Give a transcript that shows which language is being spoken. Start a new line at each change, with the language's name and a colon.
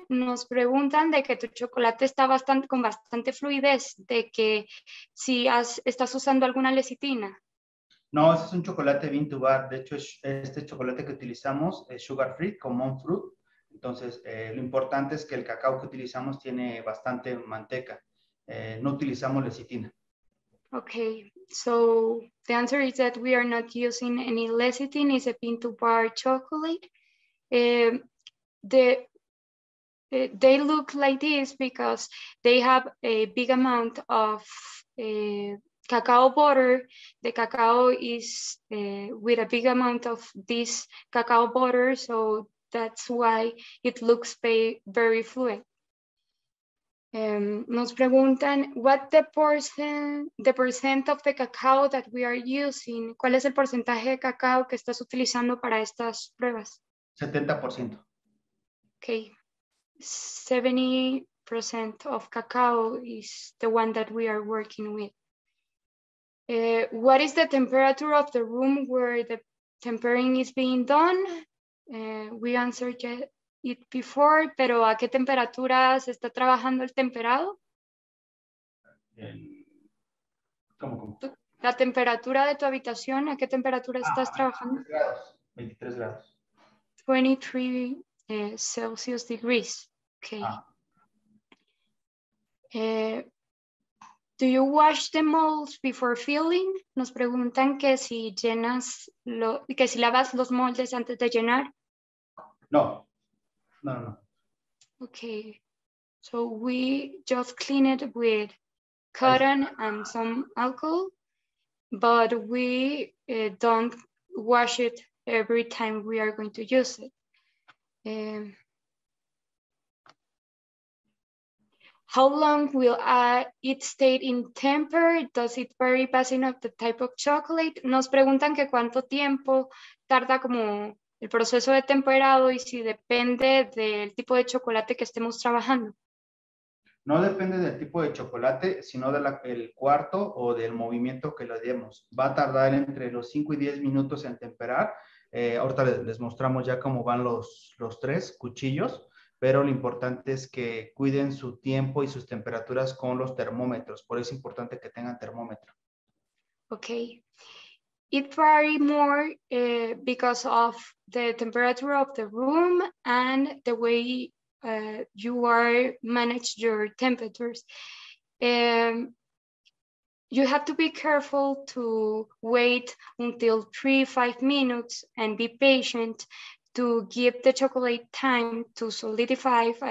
Spanish: Nos preguntan de que tu chocolate está bastante con bastante fluidez, de que si estás usando alguna lecitina. No, ese es un chocolate bean to bar. De hecho, este chocolate que utilizamos es sugar free, con monk fruit. Entonces, lo importante es que el cacao que utilizamos tiene bastante manteca. no utilizamos lecitina.
English: Okay, so the answer is that we are not using any lecithin, it's a pinto bar chocolate. They look like this because they have a big amount of cacao butter. The cacao is with a big amount of this cacao butter, so that's why it looks very fluid.
Spanish: Nos preguntan,
English: what the percent of the cacao that we are using,
Spanish: ¿cuál es el porcentaje de cacao que estás utilizando para estas pruebas? 70%.
English: Okay, 70% of cacao is the one that we are working with. What is the temperature of the room where the tempering is being done? We answered it. It before,
Spanish: pero ¿a qué temperatura se está trabajando el temperado? ¿Cómo? La temperatura de tu habitación, ¿a qué temperatura estás trabajando? 23 grados.
English: 23 Celsius degrees. Okay. Do you wash the molds before filling?
Spanish: Nos preguntan que si llenas que si lavas los moldes antes de llenar. No. No.
English: Okay, so we just clean it with cotton and some alcohol, but we don't wash it every time we are going to use it. How long will it stay in temper? Does it vary based on the type of chocolate?
Spanish: Nos preguntan que cuánto tiempo tarda como el proceso de temperado y si depende del tipo de chocolate que estemos trabajando. No depende del tipo de chocolate, sino del cuarto o del movimiento que le demos. Va a tardar entre los 5 y 10 minutos en temperar. Ahorita les mostramos ya cómo van los tres cuchillos, pero lo importante es que cuiden su tiempo y sus temperaturas con los termómetros. Por eso es importante que tengan termómetro. Ok.
English: It vary more because of the temperature of the room and the way you are manage your temperatures. You have to be careful to wait until 3-5 minutes and be patient to give the chocolate time to solidify.